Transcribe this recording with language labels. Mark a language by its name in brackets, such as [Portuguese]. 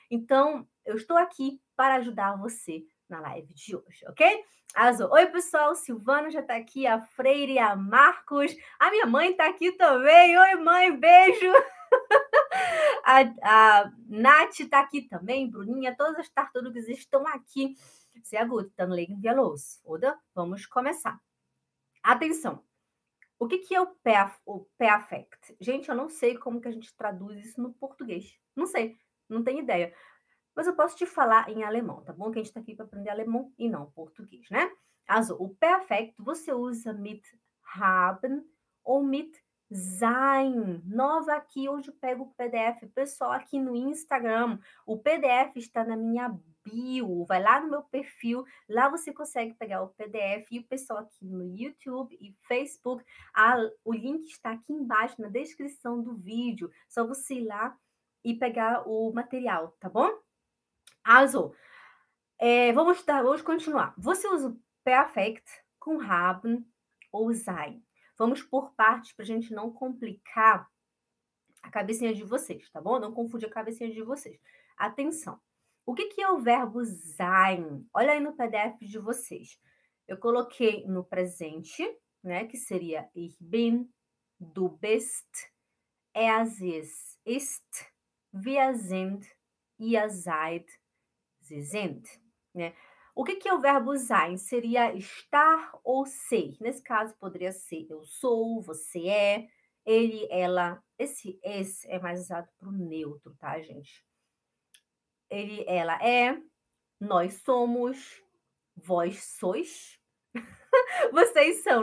[Portuguese] Então, eu estou aqui para ajudar você na live de hoje, ok? Azul. Oi, pessoal. Silvana já está aqui, a Freire, a Marcos. A minha mãe está aqui também. Oi, mãe, beijo. A Nath está aqui também, Bruninha. Todas as tartarugas estão aqui. [German] Sehr gut, dann legen wir los, oder? [Portuguese] Vamos começar. Atenção. O que que é o perfect? Gente, eu não sei como que a gente traduz isso no português. Não sei, não tenho ideia. Mas eu posso te falar em alemão, tá bom? Que a gente tá aqui para aprender alemão e não português, né? Also, o perfect você usa mit haben ou mit sein. Nova aqui onde eu pego o PDF. Pessoal, aqui no Instagram, o PDF está na minha bio. Vai lá no meu perfil, lá você consegue pegar o PDF. E o pessoal aqui no YouTube e Facebook, o link está aqui embaixo na descrição do vídeo. Só você ir lá e pegar o material, tá bom? Also, vamos continuar. Você usa o perfect com haben ou sein? Vamos por partes para a gente não complicar a cabecinha de vocês, tá bom? Não confundir a cabecinha de vocês. Atenção. O que que é o verbo sein? Olha aí no PDF de vocês. Eu coloquei no presente, né? Que seria [German] ich bin, du bist, er, sie, es, ist, wir sind, ihr seid, sie sind, [Portuguese] né? O que que é o verbo sein? Seria estar ou ser. Nesse caso, poderia ser eu sou, você é, ele, ela. Esse é mais usado para o neutro, tá, gente? Ele, ela é, nós somos, vós sois, vocês são.